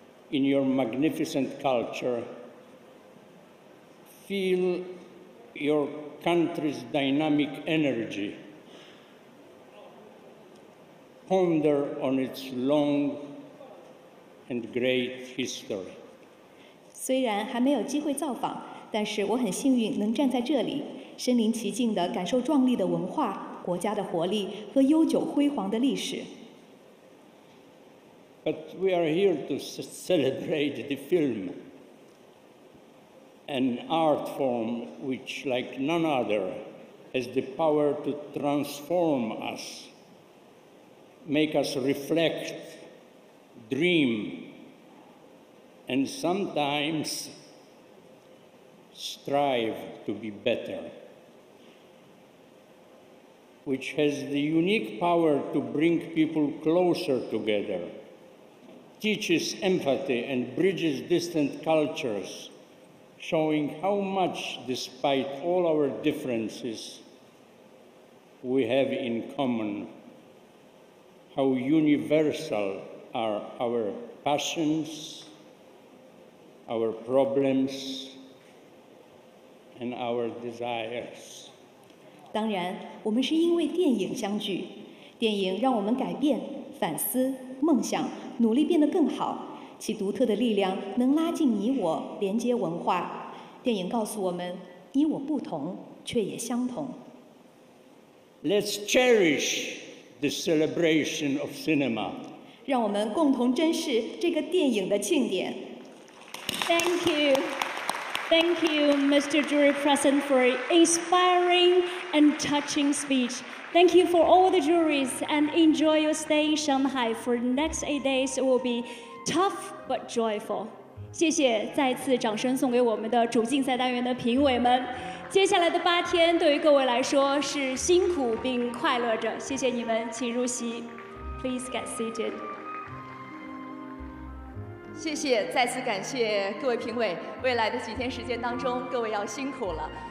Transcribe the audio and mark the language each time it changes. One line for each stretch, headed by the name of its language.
English: In your magnificent culture, feel your country's dynamic energy, ponder on its long and great history.
Chinese: 虽然还没有机会造访，但是我很幸运能站在这里，身临其境地感受壮丽的文化、国家的活力和悠久辉煌的历史。
English: But we are here to celebrate the film, an art form which, like none other, has the power to transform us, make us reflect, dream, and sometimes strive to be better. Which has the unique power to bring people closer together. Teaches empathy and bridges distant cultures, showing how much, despite all our differences, we have in common, how universal are our passions, our problems, and our desires.
Chinese: 当然，我们是因为电影相聚，电影让我们改变、反思、梦想。努力变得更好，其独特的力量能拉近你我，连接文化。电影告诉我们，你我不同，却也相同。
English: Let's cherish the celebration of cinema.
Chinese: 让我们共同珍视这个电影的庆典。
English: Thank you. Thank you, Mr. Jury President, for an inspiring and touching speech. Thank you for all the juries and enjoy your stay in Shanghai. For the next 8 days, it will be tough but joyful.
Chinese: 谢谢，再次掌声送给我们的主竞赛单元的评委们。接下来的八天对于各位来说是辛苦并快乐着，谢谢你们，请入席。
English: Please get seated。
Chinese: 谢谢，再次感谢各位评委，未来的几天时间当中各位要辛苦了。